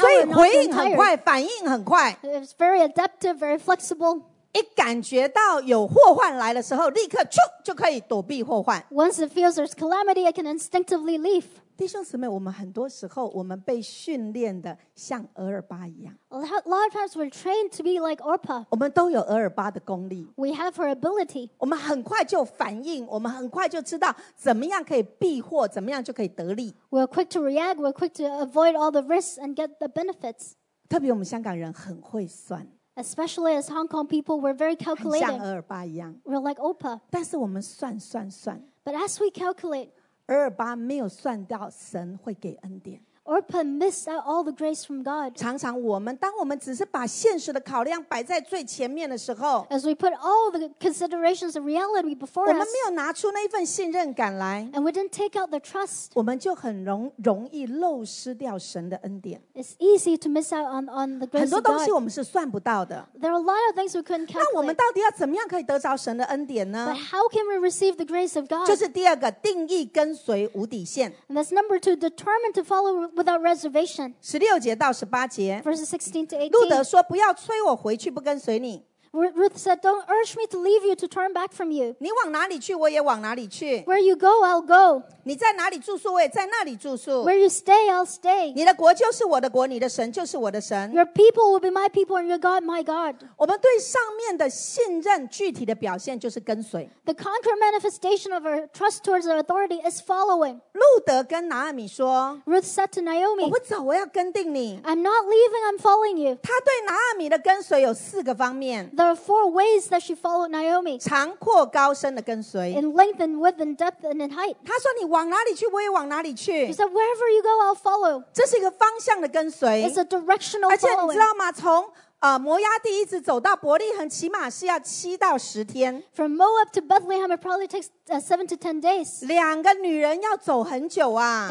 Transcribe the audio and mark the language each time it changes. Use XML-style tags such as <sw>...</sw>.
<zh>所以回应很快反应很快</zh> <en>It's very adaptive, very flexible</en> <zh>一感觉到有祸患来的时候立刻咻就可以躲避祸患</zh> <en>Once it feels there's calamity, it can instinctively leave</en> <zh>弟兄姊妹我们很多时候我们被训练的像俄尔巴一样</zh> <en>A lot of times we're trained to be like Orpah.</en> <zh>我们都有俄尔巴的功力。</zh> <en>We have her ability.</en> <zh>我们很快就反应，我们很快就知道怎么样可以避祸，怎么样就可以得利。</zh> <en>We're quick to react. We're quick to avoid all the risks and get the benefits.</en> <zh>特别我们香港人很会算。</zh> <en>Especially as Hong Kong people, we're very calculating.</en> <zh>像俄尔巴一样。</zh> <en>We're like Orpah.</en> <zh>但是我们算算算。</zh> <en>But as we calculate,</en> <zh>俄尔巴没有算到神会给恩典。</zh> <en>Orpah missed out all the grace from God.</en> <zh>常常我们当我们只是把现实的考量摆在最前面的时候</zh> <en>，as we put all the considerations of reality before us，</en> <zh>我们没有拿出那份信任感来</zh> <en>，and we didn't take out the trust，</en> <zh>我们就很容易漏失掉神的恩典。</zh> <en>It's easy to miss out on the grace of God.</en> <zh>很多东西我们是算不到的。</zh> <en>There are a lot of things we couldn't calculate.</en> <zh>那我们到底要怎么样可以得着神的恩典呢</zh> <en>？But how can we receive the grace of God？</en> <zh>就是第二个，定义跟随无底线。</zh> <en>And that's number two, determined to follow。 Without reservation.</en> <zh>16节到18节</zh> <en>Verses 16 to 18.</en> <zh>路德说：“不要催我回去，不跟随你。”</zh> <en>Ruth said, "Don't urge me to leave you to turn back from you."</en> <zh>你往哪里去，我也往哪里去。</zh> <en>Where you go, I'll go.</en> <zh>你在哪里住宿，我也在那里住宿。</zh> <en>Where you stay, I'll stay.</en> <zh>你的国就是我的国，你的神就是我的神。</zh> <en>Your people will be my people, and your God, my God.</en> <zh>我们对上面的信任，具体的表现就是跟随。</zh> <en>The concrete manifestation of our trust towards our authority is following.</en> <zh>路德跟拿俄米说</zh> <en>，Ruth said to Naomi,</en> <zh>我不走，我要跟定你。</zh> <en>I'm not leaving, I'm following you.</en> <zh>他对拿俄米的跟随有四个方面。</zh> <en>There are four ways that she followed Naomi.</en> <zh>长阔高深的跟随</zh> <en>In length and width and depth and in height.</en> <zh>她说你往哪里去我也往哪里去</zh> <en>She said wherever you go I'll follow.</en> <zh>这是一个方向的跟随</zh> <en>It's a directional following.</en> <zh>而且你知道吗从摩押地一直走到伯利恒起码是要七到十天</zh> <en>From Moab to Bethlehem it probably takes 7 to 10 days.</en> <zh>两个女人要走很久啊</zh>